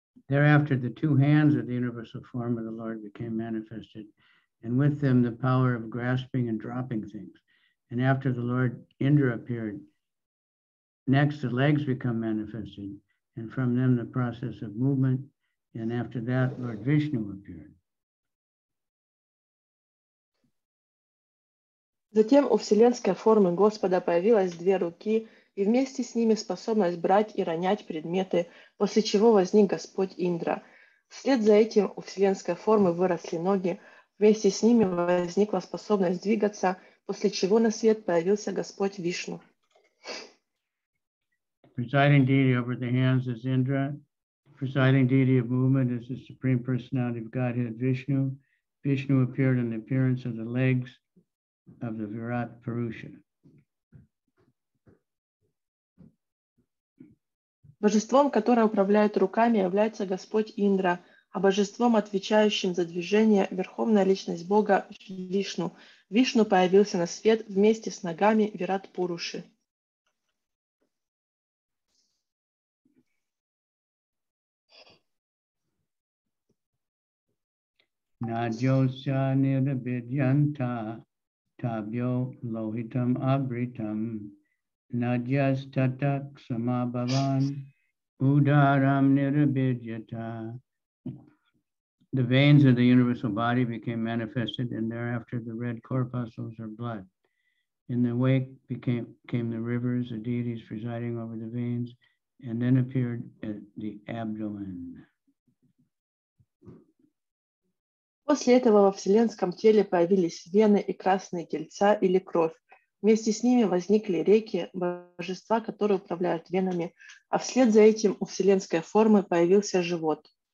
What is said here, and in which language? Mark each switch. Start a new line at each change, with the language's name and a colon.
English: Thereafter, the two hands of the universal form of the Lord became manifested, and with them the power of grasping and dropping things. And after the Lord Indra appeared, next the legs become manifested, and from them the process of movement, and after that Lord Vishnu appeared.
Russian: Затем у вселенской формы Господа появилось две руки, и вместе с ними способность брать и ронять предметы, после чего возник Господь Индра. Вслед за этим у вселенской формы выросли ноги, вместе с ними возникла способность двигаться, после чего на свет появился Господь Вишну.
English: Presiding deity over the hands is Indra. Presiding deity of movement is the Supreme Personality of Godhead Vishnu. Vishnu appeared in the appearance of the legs of the Virat Purusha.
Russian: Божеством, которое управляет руками, является Господь Индра, а божеством, отвечающим за движение, верховная личность Бога Вишну. Вишну появился на свет вместе с ногами Вират Пуруши.
Sanskrit: Наджося нирабидьянта табьо лохитам абритам надьяс татак самабаван ударам нирабидьята.
English: The veins of the universal body became manifested, and thereafter the red corpuscles or blood. In the wake came the rivers, the deities presiding over the veins, and then appeared at the abdomen.
Russian: После этого во вселенском теле появились вены и красные тельца или кровь. Вместе с ними возникли реки, божества, которые управляют венами, а вслед за этим у вселенской формы появился живот.